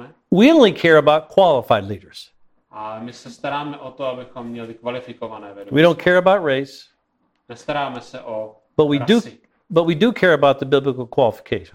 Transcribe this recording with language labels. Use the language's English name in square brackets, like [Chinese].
[English] We only care about qualified leaders. [Czech] A my se staráme o to, abychom měli kvalifikované vedoucí. [English] We don't care about race. [Czech] Nestaráme se o [English] But we do care about the biblical qualifications.